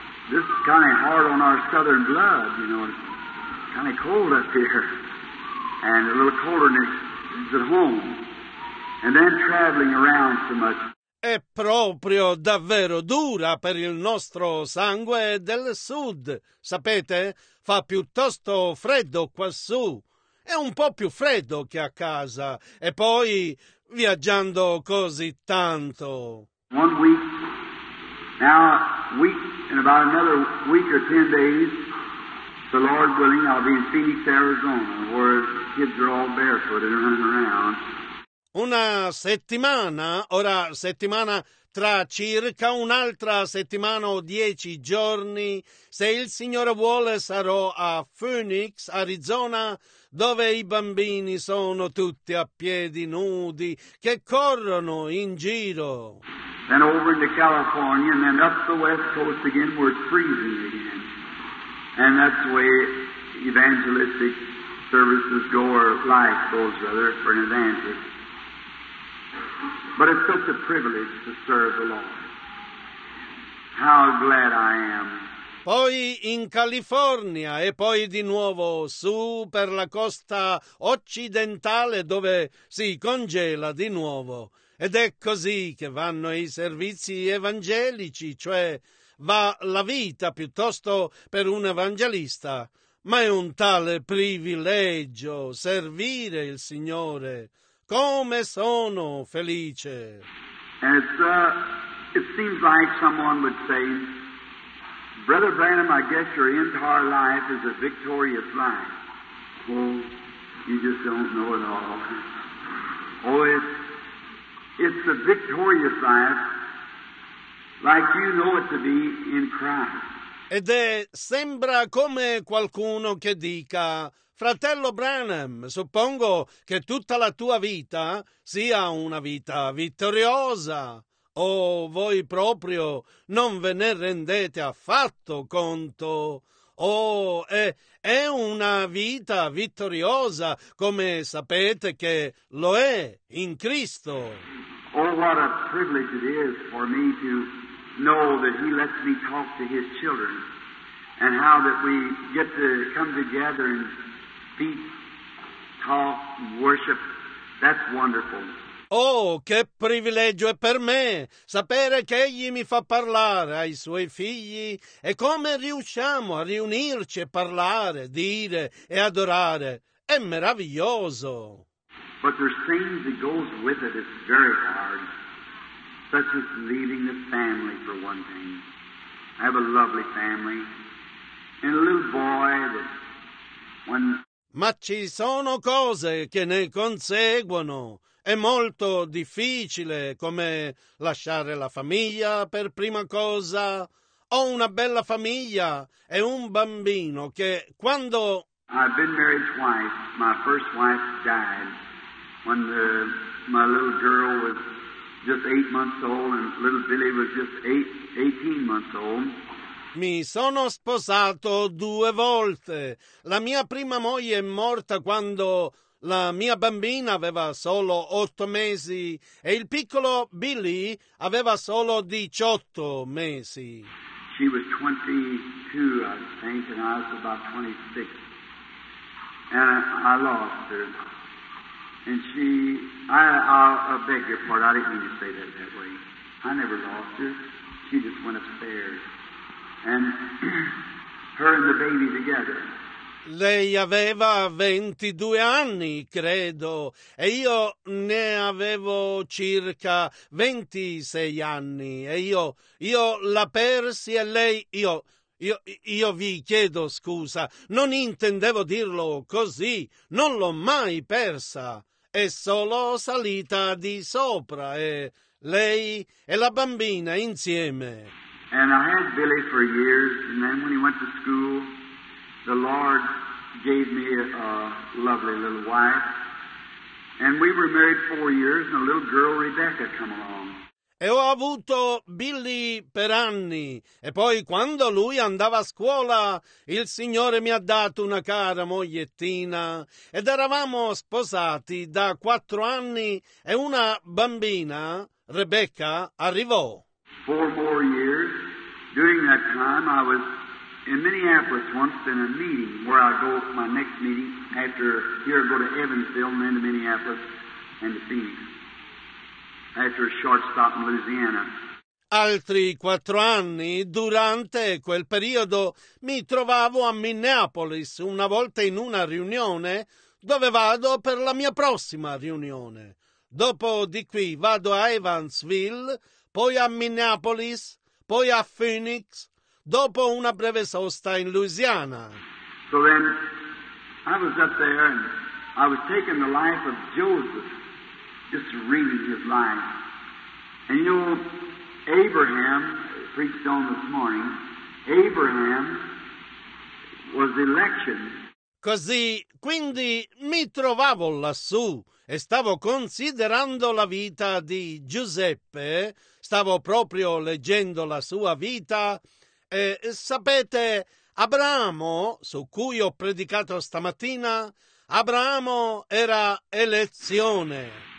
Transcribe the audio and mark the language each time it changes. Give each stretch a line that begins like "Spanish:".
English: This is kind of hard on our southern blood, you know. Kind of cold up here, and a little colder than at home, and then traveling around so much.
Italian: È proprio davvero dura per il nostro sangue del sud, sapete? Fa piuttosto freddo quassù. È un po' più freddo che a casa, e poi viaggiando così tanto.
English: One week, now a week, and about another week or 10 days. The Lord willing, I'll be in Phoenix, Arizona, where kids are all barefooted and running around.
Italian: Una settimana, ora settimana, tra circa un'altra settimana o 10 giorni, se il Signore vuole, sarò a Phoenix, Arizona, dove i bambini sono tutti a piedi nudi che corrono in giro.
English: Then over into California, and then up the west coast again, where it's freezing again. And that's the way evangelistic services go, or life goes, rather, for an evangelist. But it's such a privilege to serve the Lord. How glad I am.
Italian: Poi in California e poi di nuovo su per la costa occidentale dove si congela di nuovo. Ed è così che vanno i servizi evangelici, cioè va la vita piuttosto per un evangelista. Ma è un tale privilegio servire il Signore. Come sono felice!
English: It seems like someone would say, Brother Branham, I guess your entire life is a victorious life. Oh, you just don't know it all. Oh, it's a victorious life, like you know it to be in Christ.
Italian: Ed è, sembra come qualcuno che dica, Fratello Branham, suppongo che tutta la tua vita sia una vita vittoriosa. O voi proprio non ve ne rendete affatto conto? È una vita vittoriosa, come sapete che lo è in Cristo.
English: Oh, what a privilege it is for me to know that he lets me talk to his children, and how that we get to come together and speak, talk, worship. That's wonderful.
Italian: Oh, che privilegio è per me sapere che egli mi fa parlare ai suoi figli e come riusciamo a riunirci e parlare, dire e adorare. È meraviglioso.
English: But there's things that goes with it. It's very hard. Such as leaving the family for one thing. I have a lovely family. And a little boy that when...
Italian: Ma ci sono cose che ne conseguono. È molto difficile, come lasciare la famiglia per prima cosa. Ho una bella famiglia e un bambino che quando...
English: I've been married twice. My first wife died when my little girl was just 8 months old and little Billy was just 18 months old.
Italian: Mi sono sposato 2 volte. La mia prima moglie è morta quando... La mia bambina aveva solo 8 mesi e il piccolo Billy aveva solo 18 mesi.
English: She was 22, I think, and I was about 26. And I lost her. And she... I beg your pardon, I didn't mean to say that way. I never lost her. She just went upstairs. And her and the baby together...
Italian: Lei aveva 22 anni, credo, e io ne avevo circa 26 anni. E io la persi e lei, io vi chiedo scusa, non intendevo dirlo così, non l'ho mai persa. È solo salita di sopra e lei e la bambina insieme.
English: And I had Billy for years, and then when he went to school, the Lord gave me a lovely little wife, and we were married 4 years, and a little girl, Rebecca, come along.
Italian: E ho avuto Billy per anni, e poi quando lui andava a scuola, il Signore mi ha dato una cara mogliettina, ed eravamo sposati da 4 anni, e una bambina, Rebecca, arrivò.
English: 4 more years, during that time, I was... In Minneapolis once in a meeting where I go to my next meeting after here I go to Evansville and then to Minneapolis and to Phoenix after a short stop in Louisiana.
Italian: Altri 4 anni durante quel periodo mi trovavo a Minneapolis una volta in una riunione dove vado per la mia prossima riunione. Dopo di qui vado a Evansville, poi a Minneapolis, poi a Phoenix. Dopo una breve sosta in Louisiana.
English: So then I was up there and I was taking the life of Joseph, just reading his life. And you know, Abraham preached on this morning. Abraham was election.
Italian: Così, quindi mi trovavo lassù e stavo considerando la vita di Giuseppe, stavo proprio leggendo la sua vita e sapete, Abramo, su cui ho predicato stamattina, Abramo era elezione.